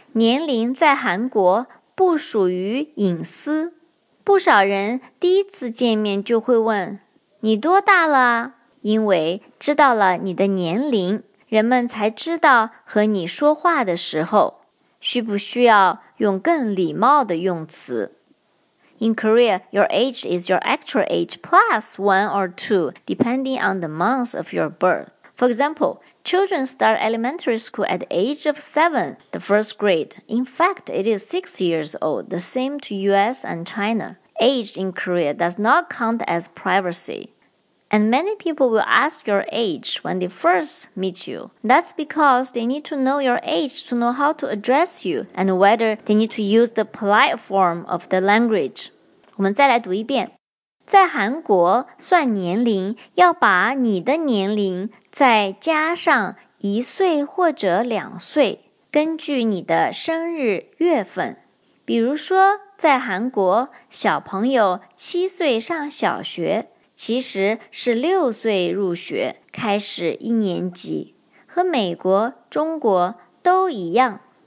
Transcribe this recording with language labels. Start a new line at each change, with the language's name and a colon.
Chinese: 年龄在韩国不属于隐私，不少人第一次见面就会问你多大了，因为知道了你的年龄，人们才知道和你说话的时候需不需要用更礼貌的用词。
English: In Korea, your age is your actual age plus one or two, depending on the month of your birth. For example, children start elementary school at the age of seven, the first grade. In fact, it is 6 years old, the same to US and China. Age in Korea does not count as privacy. And many people will ask your age when they first meet you. That's because they need to know your age to know how to address you and whether they need to use the polite form of the language.
Chinese: 我们再来读一遍。在韩国算年龄，要把你的年龄再加上一岁或者两岁，根据你的生日月份。比如说在韩国，小朋友七岁上小学，其实是六岁入学，开始一年级，和美国、中国都一样。